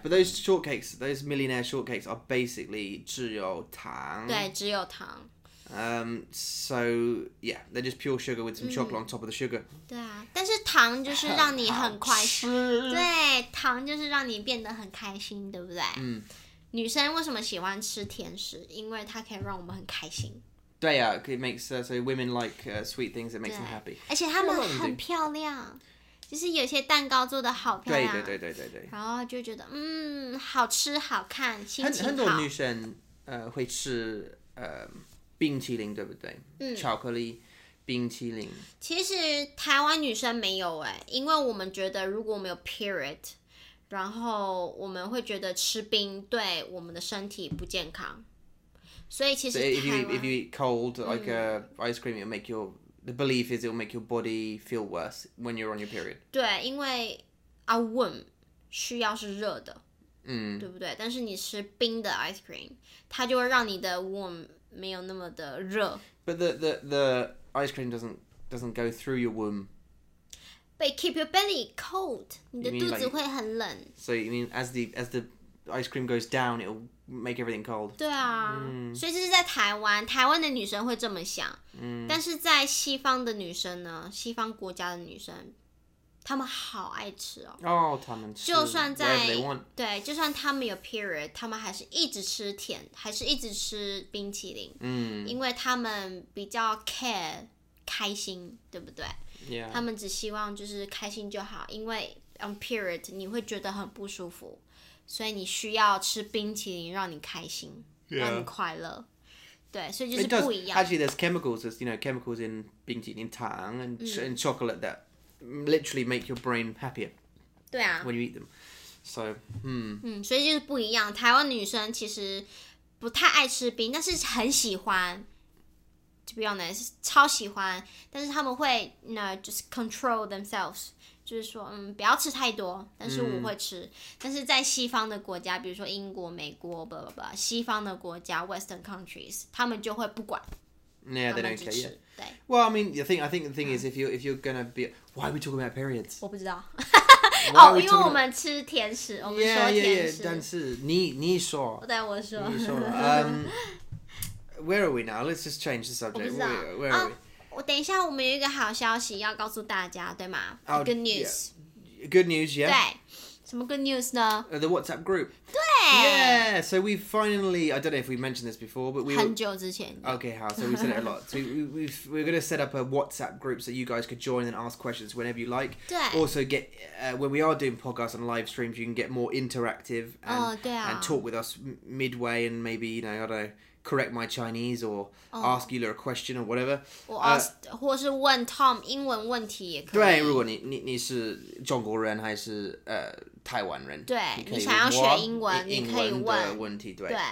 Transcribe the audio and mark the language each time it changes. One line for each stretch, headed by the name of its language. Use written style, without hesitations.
English: But those shortcakes, those millionaire shortcakes are basically
Chinese: 只有糖. 对, 只有糖.
English: So, yeah, they're just pure sugar with some chocolate on top of the sugar.
Chinese: 对啊, 但是糖就是让你很快, 对, 糖就是让你变得很开心, 对不对? 嗯。女生为什么喜欢吃甜食?因为它可以让我们很开心。
English: 对啊, yeah, it makes so women like sweet things, it makes them happy.
Chinese: 而且她们很漂亮, 就是有些蛋糕做得好漂亮。对。然后就觉得, 好吃好看, 心情好。很多女生, 会吃, 冰淇淋, 对不对? 巧克力, 冰淇淋。其实台湾女生没有耶, 因为我们觉得如果我们有 period, 然后我们会觉得吃冰对我们的身体不健康。所以其实台湾，
English: if you eat cold, like ice cream, it'll make your, the belief is it'll make your body feel worse when you're on your period.
Chinese: 对，因为
English: our womb
Chinese: 需要是热的，对不对？但是你吃冰的 ice cream, 它就会让你的 womb没有那么的热。
English: But the ice cream doesn't go through your womb. But keep your belly cold.
Chinese: 你的肚子会很冷。
English: So you mean as the ice cream goes down, it'll make everything cold.
Chinese: 对啊。所以这是在台湾, 台湾的女生会这么想。但是在西方的女生呢, 西方国家的女生, 她们好爱吃哦。哦,她们吃, 就算在,
English: whatever they want.
Chinese: 对, 就算她们有period, 她们还是一直吃甜, 还是一直吃冰淇淋。因为她们比较care, 开心, 对不对?
English: Yeah.
Chinese: 他们只希望就是开心就好, 因为 on period 你会觉得很不舒服, 所以你需要吃冰淇淋让你开心,
English: yeah.
Chinese: 让你快乐, 对, 所以就是不一样。
English: Actually, there's chemicals, there's, you know, chemicals in 冰淇淋, 糖, and, and chocolate that literally make your brain happier.
Chinese: 对啊,
English: when you eat them. So,
Chinese: 所以就是不一样, 台湾女生其实不太爱吃冰, 但是很喜欢,
English: to be honest,
Chinese: 超喜欢, 但是他们会,
English: you know, just control themselves,
Chinese: 就是说, 不要吃太多, 但是我会吃, 但是在西方的国家, 比如说英国, 美国, blah, blah, blah, 西方的国家,
English: western countries,
Chinese: 他们就会不管,
English: yeah, they don't care, yeah. Well, I mean, I think the thing is, if you're gonna be, why are we talking about periods?
Chinese: 我不知道, 因为我们吃甜食, 我们说甜食,
English: yeah,
Chinese: 但是, 你说, 对, 我说,
English: 你说, Where are we now? Let's just change the subject. Where are we?
Chinese: 等一下我们有一个好消息要告诉大家,对吗?
English: Good news. Yeah. Good news, yeah.
Chinese: 对,什么 good news 呢?
English: The WhatsApp group.
Chinese: 对!
English: Yeah, so we finally, I don't know if we mentioned this before, but we
Chinese: 很久之前,
English: were, okay, how, so we said it a lot. So we're going to set up a WhatsApp group so you guys could join and ask questions whenever you like.
Chinese: 对!
English: Also get, when we are doing podcasts and live streams, you can get more interactive and, and talk with us midway and maybe, you know, I don't know, correct my Chinese or ask you a question or whatever. Or ask,
Chinese: 或是问 Tom 英文问题也可以。对,如果你是中国人还是 台湾人, 对,你想要学英文,你可以问。英文的问题,对。